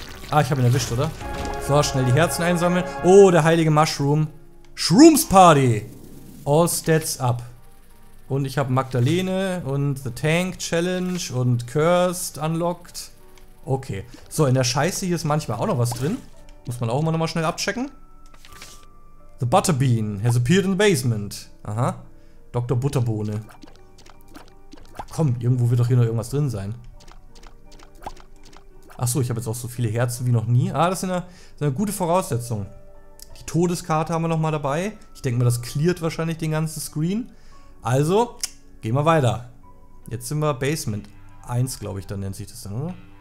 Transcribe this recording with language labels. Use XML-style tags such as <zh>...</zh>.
<de>Ah, ich habe ihn erwischt, oder? So, schnell die Herzen einsammeln. Oh, der heilige Mushroom. Shrooms Party.</de> <en>All Stats up.</en> <de>Und ich habe Magdalene und The Tank Challenge und Cursed unlocked. Okay. So, in der Scheiße hier ist manchmal auch noch was drin. Muss man auch immer nochmal schnell abchecken.</de> <en>The Butterbean has appeared in the basement.</en> <de>Aha. Dr. Butterbohne. Komm, irgendwo wird doch hier noch irgendwas drin sein. Achso, ich habe jetzt auch so viele Herzen wie noch nie. Ah, das ist eine gute Voraussetzung. Die Todeskarte haben wir nochmal dabei. Ich denke mal, das cleart wahrscheinlich den ganzen Screen. Also, gehen wir weiter. Jetzt sind wir Basement 1, glaube ich, dann nennt sich das dann, oder?</de>